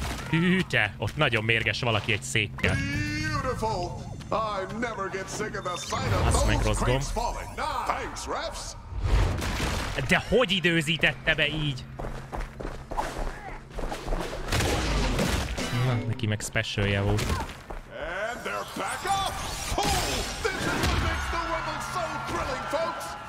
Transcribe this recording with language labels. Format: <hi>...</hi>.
<hu>Hűte! Ott nagyon mérges valaki egy székkel.</hu> <en>Beautiful! I never get sick of the sight of those crates falling. Thanks, refs!</en> <hu>De hogy időzítette be így? Na, neki meg specialja volt.</hu> <en>And they're back up! Oh, this is what makes the rumble so thrilling, folks!</en>